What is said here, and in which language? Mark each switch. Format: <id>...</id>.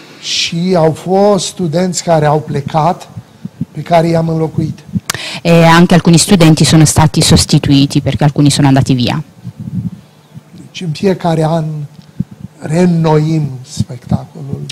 <ro>Și au fost studenți care au plecat, pe care i-am înlocuit.</ro> <it>E anche alcuni studenti sono stati sostituiti perché alcuni sono andati via.</it> <ro>Deci în fiecare an reînnoim spectacolul.</ro>